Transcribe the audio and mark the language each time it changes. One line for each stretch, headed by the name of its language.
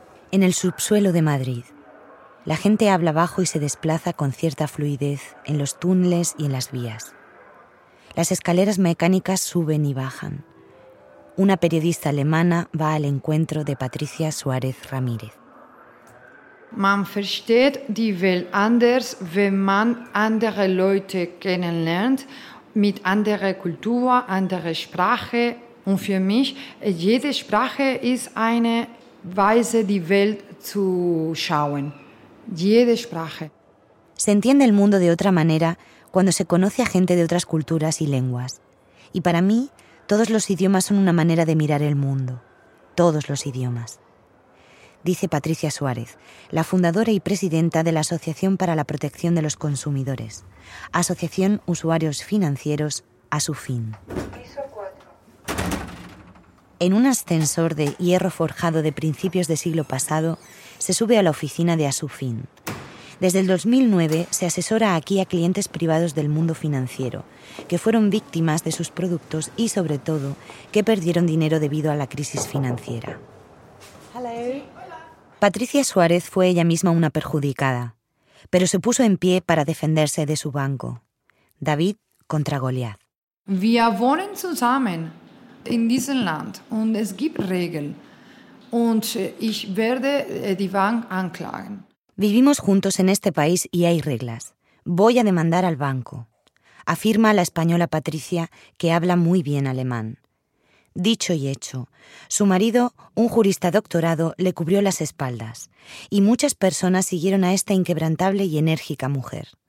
Spanish: En el subsuelo de Madrid, la gente habla bajo y se desplaza con cierta fluidez en los túneles y en las vías. Las escaleras mecánicas suben y bajan. Una periodista alemana va al encuentro de Patricia Suárez Ramírez.
German: Man versteht die Welt anders, wenn man andere Leute kennenlernt, mit anderer Kultur, andere Sprache. Und für mich, jede Sprache ist eine Weise, die Welt zu schauen. Jede Sprache.
Spanish: Se entiende el mundo de otra manera cuando se conoce a gente de otras culturas y lenguas. Y para mí, todos los idiomas son una manera de mirar el mundo. Todos los idiomas. Dice Patricia Suárez, la fundadora y presidenta de la Asociación para la Protección de los Consumidores, Asociación Usuarios Financieros, ASUFIN. En un ascensor de hierro forjado de principios de siglo pasado, se sube a la oficina de ASUFIN. Desde el 2009 se asesora aquí a clientes privados del mundo financiero, que fueron víctimas de sus productos y, sobre todo, que perdieron dinero debido a la crisis financiera. Patricia Suárez fue ella misma una perjudicada, pero se puso en pie para defenderse de su banco. David contra Goliath.
German: Wir wohnen zusammen in diesem Land und es gibt Regeln und ich werde die Bank anklagen.
Spanish: Vivimos juntos en este país y hay reglas. Voy a demandar al banco, afirma la española Patricia, que habla muy bien alemán. Dicho y hecho, su marido, un jurista doctorado, le cubrió las espaldas y muchas personas siguieron a esta inquebrantable y enérgica mujer.